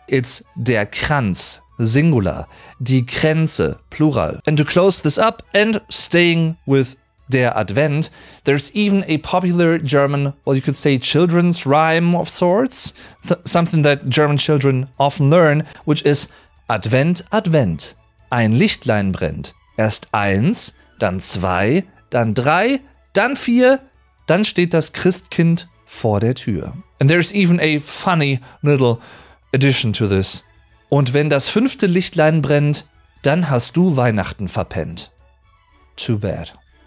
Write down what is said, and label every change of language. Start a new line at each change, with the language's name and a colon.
English: It's der Kranz, singular, die Kränze, plural. And to close this up and staying with der Advent, there's even a popular German, well, you could say children's rhyme of sorts, something that German children often learn, which is Advent, Advent.
German: Ein Lichtlein brennt. Erst eins, dann zwei, dann drei, dann vier, dann steht das Christkind vor der Tür.
English: And there's even a funny little addition to this.
German: Und wenn das fünfte Lichtlein brennt, dann hast du Weihnachten verpennt.
English: Too bad.